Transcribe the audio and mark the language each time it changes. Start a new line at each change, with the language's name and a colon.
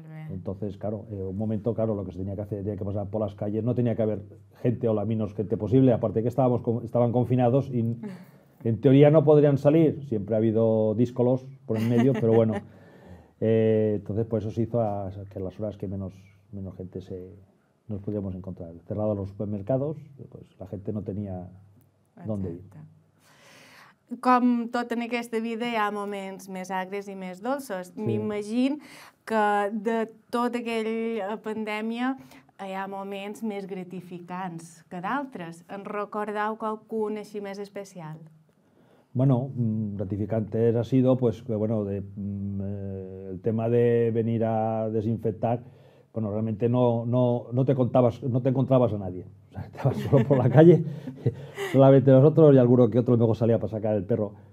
Spanish: Entonces, claro, un momento, claro, lo que se tenía que hacer, tenía que pasar por las calles, no tenía que haber gente o la menos gente posible, aparte que estaban confinados y en teoría no podrían salir, siempre ha habido díscolos por en medio, pero bueno, entonces pues eso se hizo que las horas que menos gente nos podíamos encontrar. Cerrados los supermercados, pues la gente no tenía dónde ir.
Catalan: Com tot en aquesta vida hi ha moments més agres i més dolços. Sí. M'imagino que de tota aquella pandèmia hi ha moments més gratificants que d'altres. En recordeu qualcun així més especial?
Spanish: Bueno, gratificante ha sido, pues, bueno, el tema de venir a desinfectar, bueno, realmente no te encontrabas a nadie. O sea, estaba solo por la calle, solamente nosotros y alguno que otro luego salía para sacar el perro.